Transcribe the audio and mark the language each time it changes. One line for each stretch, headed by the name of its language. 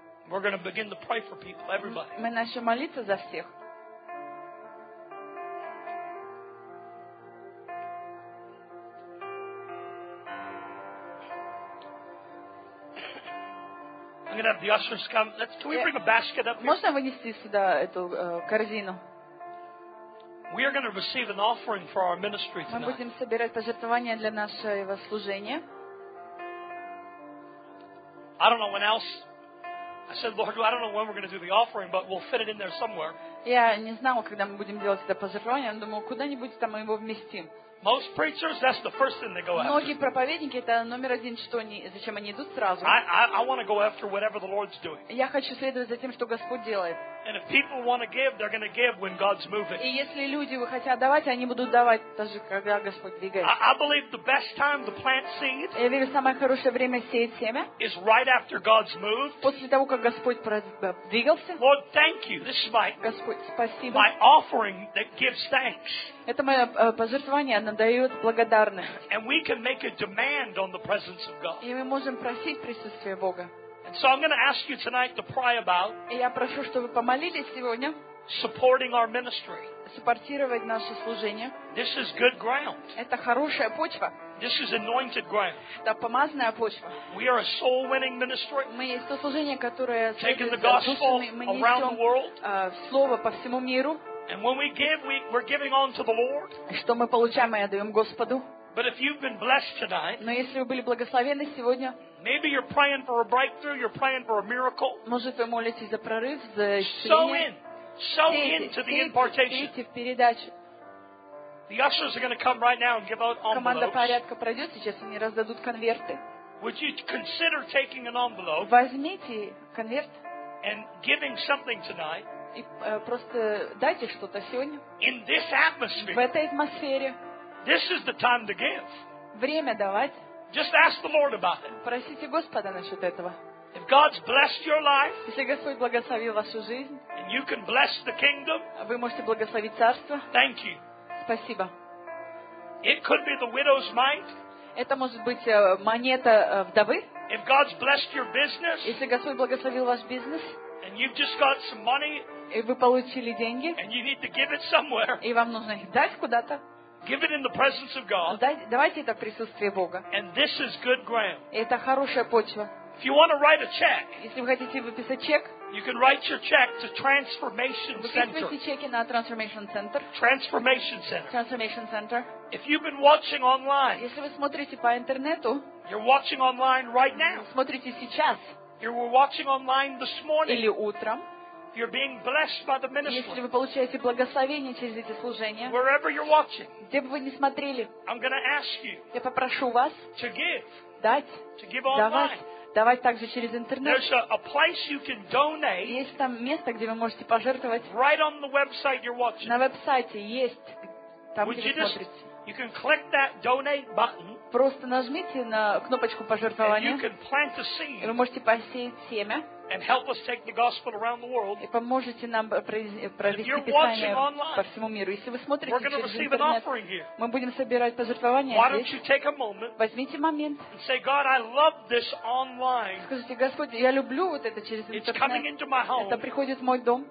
English: We're going to begin to pray for people, everybody.
Russian: Мы начнем молиться за всех.
English: I'm going to have the ushers come. Can we bring a basket up here?
Russian: Можно вынести сюда эту корзину?
English: We are going to receive an offering for our ministry tonight.
Russian: Мы будем собирать пожертвования для нашего служения.
English: I don't know when else. I said, Lord, well, I don't know when we're going to do the offering, but we'll fit it in there somewhere.
Russian: Я не знал, когда мы будем делать это пожертвование, но думал, куда-нибудь там мы его вместим.
English: Most preachers, that's the first thing they go after.
Russian: Многие проповедники это номер один, что они, зачем они идут сразу.
English: I want to go after whatever the Lord's doing.
Russian: Я хочу следовать за тем, что Господь делает.
English: And if people want to give, they're going to give when God's moving.
Russian: И если люди хотят давать, они будут давать даже когда Господь двигается.
English: I believe the best time to plant seed.
Russian: Я верю, самое хорошее время сеять семя.
English: Is right after God's moved.
Russian: После того, как Господь двигался.
English: Lord, thank you. This is my.
Russian: Господь, спасибо.
English: My offering that gives thanks.
Russian: Это мое пожертвование, оно дает благодарность. И мы можем просить присутствие Бога. И я прошу, чтобы вы помолились сегодня.
English: Supporting our ministry.
Russian: Суппортировать наше служение.
English: This is good ground.
Russian: Это хорошая почва.
English: This is anointed ground.
Russian: Это помазанная почва.
English: We are a soul-winning ministry.
Russian: Мы есть то служение, которое
English: taking the gospel around the world.
Russian: Слово по всему миру.
English: And when we give, we're giving on to the Lord.
Russian: Что мы получаем, мы отдаем Господу.
English: But if you've been blessed tonight,
Russian: но если вы были благословены сегодня,
English: maybe you're praying for a breakthrough, you're praying for a miracle.
Russian: Может, вы молитесь за прорыв, за исцеление.
English: Sow into the impartation.
Russian: Сейте в передачу.
English: The ushers are going to come right now and give out envelopes.
Russian: Команда порядка пройдет сейчас, они раздадут конверты.
English: Would you consider taking an envelope?
Russian: Возьмите конверт.
English: And giving something tonight.
Russian: И просто дайте что-то сегодня.
English: In this atmosphere,
Russian: в этой атмосфере.
English: This is the time to give.
Russian: Время давать.
English: Just ask the Lord about it.
Russian: Просите Господа насчет этого.
English: If God's blessed your life,
Russian: если Господь благословил вашу жизнь,
English: and you can bless the kingdom,
Russian: вы можете благословить царство.
English: Thank you.
Russian: Спасибо.
English: It could be the widow's mite.
Russian: Это может быть монета вдовы.
English: If God's blessed your business,
Russian: если Господь благословил ваш бизнес,
English: and you've just got some money. И вы получили деньги. And you need to give it somewhere.
Russian: И вам нужно их дать куда-то.
English: Give it in the presence of God.
Russian: Давайте это в присутствии Бога.
English: And this is good ground.
Russian: Это хорошая почва.
English: If you want to write a check,
Russian: если вы хотите выписать чек,
English: you can write your check to Transformation Center.
Russian: Выписывайте чеки на Transformation Center.
English: Transformation Center. Transformation Center. If you've been watching online,
Russian: если вы смотрите по интернету,
English: you're watching online right now.
Russian: Смотрите сейчас.
English: You were watching online this morning.
Russian: Или утром.
English: You're being blessed by the ministry.
Russian: Если вы получаете благословение через эти служения,
English: wherever you're watching,
Russian: где бы вы ни смотрели,
English: I'm going to ask you,
Russian: я попрошу вас,
English: to give,
Russian: дать,
English: to give online,
Russian: давать также через интернет.
English: There's a place you can donate.
Russian: Есть там место, где вы можете пожертвовать.
English: Right on the website you're watching.
Russian: На веб-сайте есть, там,
English: would
Russian: где вы смотрите.
English: You can click that donate button.
Russian: Просто нажмите на кнопочку пожертвования.
English: And you can plant a seed.
Russian: И вы можете посеять семя.
English: And help us take the gospel around the world.
Russian: И поможете нам провести Писание по всему миру. Если вы смотрите через интернет,
English: we're going to receive an offering here.
Russian: Мы будем собирать пожертвования.
English: Why don't you take a moment?
Russian: Возьмите момент.
English: And say, God, I love this online.
Russian: Скажите, Господь, я люблю вот это через интернет.
English: It's coming into my home.
Russian: Это приходит в мой дом.